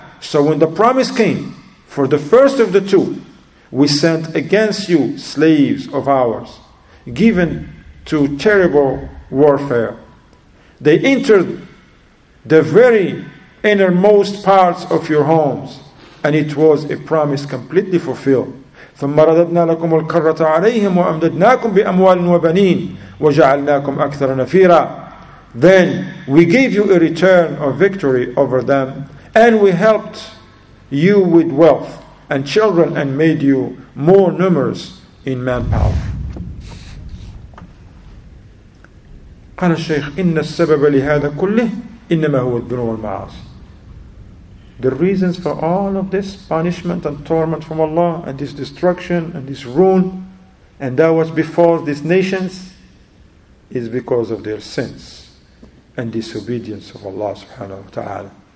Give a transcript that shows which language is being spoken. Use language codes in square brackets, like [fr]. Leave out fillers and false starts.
[en] So when the promise came for the first of the two, we sent against you slaves of ours, given to terrible warfare. They entered the very innermost parts of your homes, and it was a promise completely fulfilled. [ar] ثم رددنا لكم الكرة عليهم وأمددناكم بأموال وبنين وجعلناكم أكثر نفيرا. [en] Then we gave you a return of victory over them, and we helped you with wealth and children, and made you more numerous in manpower. [ar] قال الشيخ إن السبب لهذا كله إنما هو الذنوب والمعاصي. [en] The reasons for all of this punishment and torment from Allah, and this destruction and this ruin, and that was before these nations, is because of their sins and disobedience of Allah subhanahu wa ta'ala.